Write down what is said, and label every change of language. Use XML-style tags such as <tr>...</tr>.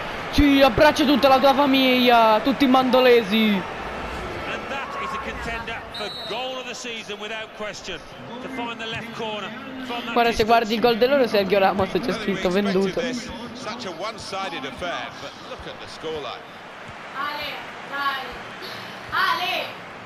<it>Sì, abbraccia tutta la tua famiglia, tutti i mandolesi.</it> <en>And that is a contender for goal of the season without question. To find the left corner.</en> <it>Guarda, se guardi il gol dell'oro, Sergio Ramos c'è scritto venduto.</it> <en>Such a one-sided affair, but look at the scoreline. Ale, dai. Ale!</en>